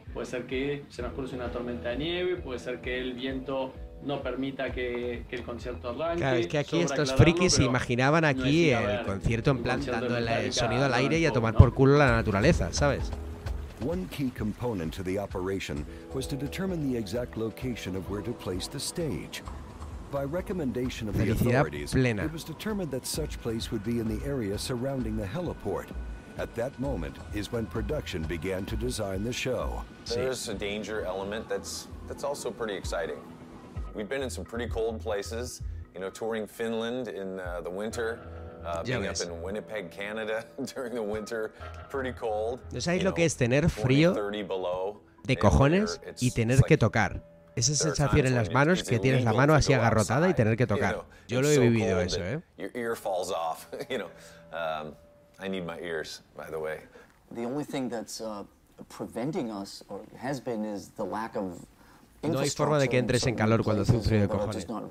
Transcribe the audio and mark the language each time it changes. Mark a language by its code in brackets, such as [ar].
[es] Puede ser que se nos cruce una tormenta de nieve, puede ser que el viento no permita que el concierto arranque. Claro, es que aquí estos frikis se imaginaban aquí no el concierto en plan dando el sonido al aire y a tomar por culo la naturaleza, ¿sabes? [en] One key component to the operation was to determine the exact location of where to place the stage. By recommendation of the authorities, plena. It was determined that such place would be in the area surrounding the heliport. At that moment is when production began to design the show. There's a danger element that's also pretty exciting. We've been in some pretty cold places, you know, touring Finland in the winter, being up in Winnipeg, Canada during the winter, pretty cold. [es] ¿No sabéis lo que es tener frío de cojones y tener que tocar? Esa sensación en las manos que tienes la mano así agarrotada y tener que tocar. Yo lo he vivido eso, ¿eh? [en] Your ear falls off, you know. I need my ears, by the way. The only thing that's preventing us, or has been, is the lack of infrastructure. [es] No hay forma de que entres en calor cuando hace un frío de cojones.